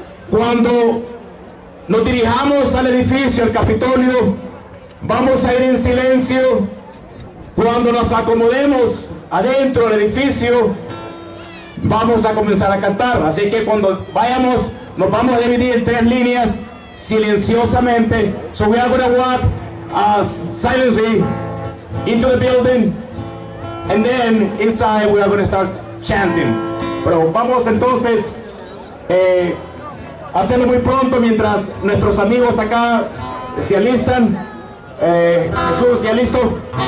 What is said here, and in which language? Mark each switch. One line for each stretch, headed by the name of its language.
Spanish: Cuando nos dirijamos al edificio, al Capitolio, vamos a ir en silencio. Cuando nos acomodemos adentro del edificio, vamos a comenzar a cantar. Así que cuando vayamos, nos vamos a dividir en tres líneas silenciosamente.
English: So we are going to walk silently into the building, and then inside we are going to start chanting.
Spanish: Pero vamos entonces a hacerlo muy pronto mientras nuestros amigos acá se alistan. Jesús, ¿ya listo?